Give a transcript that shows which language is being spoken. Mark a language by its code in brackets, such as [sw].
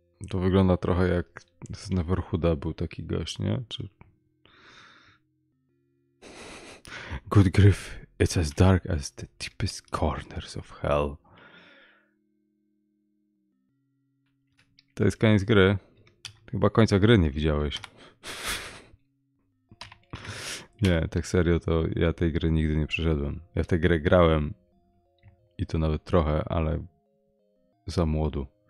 [pl] To wygląda trochę jak z Neverhooda był taki gość, nie? Czy... [en] Good grief, it's as dark as the deepest corners of hell. [pl] To jest koniec gry. Chyba końca gry nie widziałeś. Nie, tak serio, to ja tej gry nigdy nie przeszedłem. Ja w tę grę grałem. I to nawet trochę, ale za młodu.